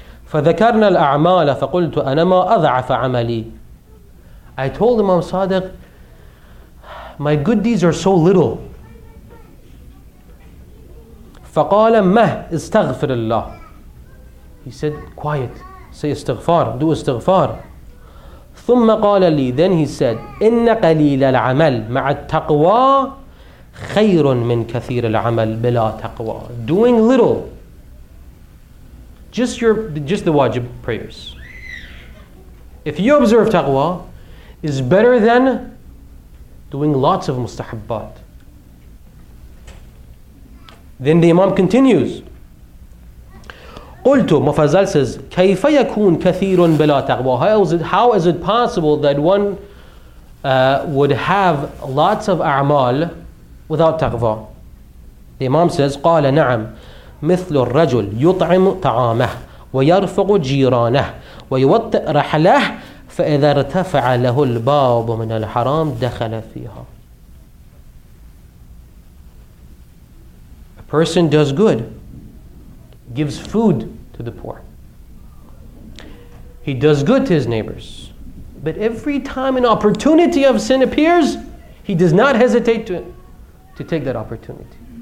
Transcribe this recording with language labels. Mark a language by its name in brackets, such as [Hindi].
[Arabic] فَذَكَرْنَا الْأَعْمَالَ فَقُلْتُ أَنَا مَا أَضَعَفَ عَمَلِي. [English] I told Imam Sadiq, my good deeds are so little. [Arabic] فَقَالَ مَهْ إِسْتَغْفِرِ اللَّهِ. [English] He said, quiet, say istighfar, do istighfar. [Arabic] ثُمَّ قَالَ لِي. [English] Then he said, [Arabic] إِنَّ قَلِيلَ الْعَمَلِ مَعَ التَّقْوَى خَيْرٌ مِّن كَثِيرِ الْعَمَلِ بِلَا تَقْوَى. [English] Doing little, just the wajib prayers, if you observe taqwa, is better than doing lots of mustahabbat. Then the Imam continues, [Arabic] قلتُ مفزل says كيف يكون كثير بلا تقوى. [English] How is it possible that one would have lots of أعمال without تقوى? The Imam says [Arabic] قال نعم مثل الرجل يطعم طعامه ويرفق جيرانه ويوطئ رحله فإذا ارتفع له الباب من الحرام دخل فيها. [English] A person does good, gives food to the poor. He does good to his neighbors. But every time an opportunity of sin appears, he does not hesitate to take that opportunity.